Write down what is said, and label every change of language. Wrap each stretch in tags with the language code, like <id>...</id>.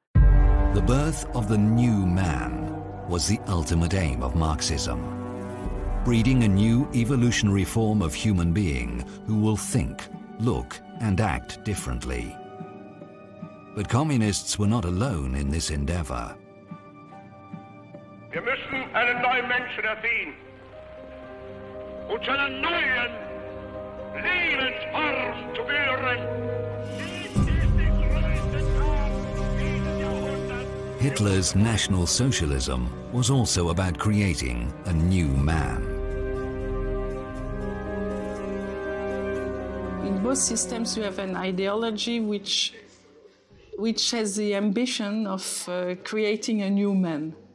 <en>The birth of the new man was the ultimate aim of Marxism, breeding a new evolutionary form of human being who will think, look, and act differently. But communists were not alone in this endeavor.</en> <de>Wir müssen eine neue Menschen erziehen und zu einer neuen Lebensform zu führen.</de> <en>Hitler's National Socialism was also about creating a new man. In both systems, you have an ideology which has the ambition of creating a new man.</en>